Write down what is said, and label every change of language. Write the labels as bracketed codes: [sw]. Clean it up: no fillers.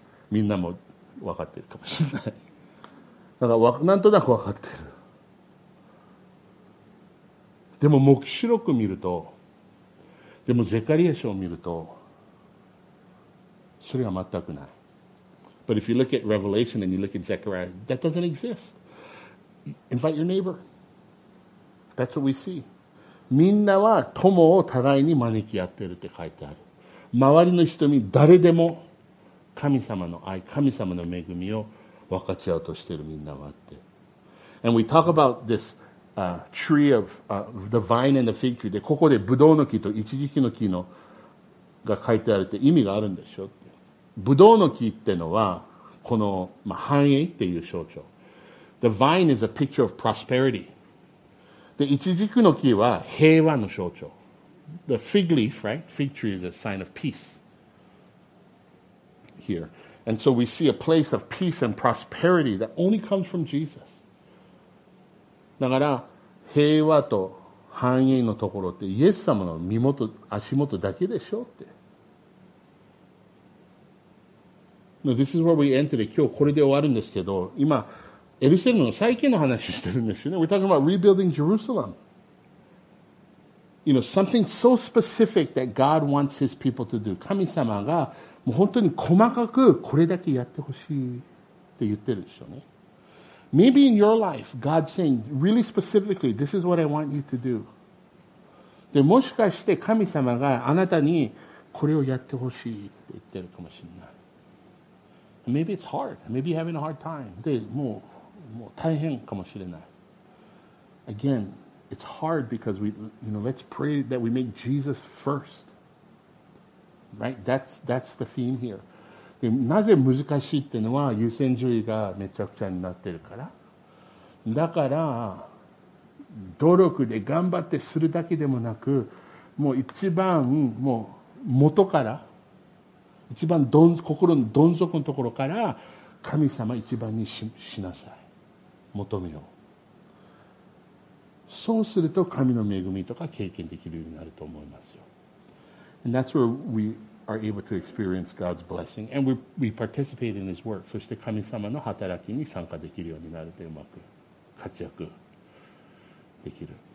[ja] みんなも分かってるかもしれない。だからなんとなく分かってる。でも黙示録見ると、でもゼカリア書を見ると、それは全くない。 [en] But if you look at Revelation and you look at Zechariah, that doesn't exist. Invite your neighbor. That's what we see. [ja] みんなは友を互いに招き合ってるって書いてある。周りの人に誰でも神様の愛、神様の恵みを分かち合うとしてるみんなはって。 [en] And we talk about this tree of the vine and the fig tree. [ja] で、ここでブドウの木とイチジキの木のが書いてあるって意味があるんでしょ。ブドウの木ってのはこの、まあ、繁栄っていう象徴。 [en] The vine is a picture of prosperity. [ja] で、イチジクの木は平和の象徴。 [en] The fig leaf, right? Fig tree is a sign of peace. Here. And so we see a place of peace and prosperity that only comes from Jesus. [ja] だから平和と繁栄のところってイエス様の身元、足元だけでしょって。 [en] No, this is where we end today. [ja] 今日これで終わるんですけど、今エルサレムの再建の話してるんですよね。 [en] We're talking about rebuilding Jerusalem. You know, something so specific that God wants his people to do. [ja] 神様がもう本当に細かくこれだけやってほしいって言ってるでしょうね。 [en] Maybe in your life, God's saying really specifically, this is what I want you to do. [ja] で、もしかして神様があなたにこれをやってほしいって言ってるかもしれない。 [en] Maybe it's hard. Maybe you're having a hard time. [ja] で、もう大変かもしれない。 [en] Again, it's hard because we, you know, let's pray that we make Jesus first. Right? That's the theme here. [ja] で、なぜ難しいっていうのは優先順位がめちゃくちゃになってるから。だから、努力で頑張ってするだけでもなく、もう一番もう元から、一番どん心のどん底のところから神様一番に しなさい求めよう。そうすると神の恵みとか経験できるようになると思いますよ。 [en] And that's where we are able to experience God's blessing and we participate in His work. [ja] そして神様の働きに参加できるようになるとうまく活躍できる。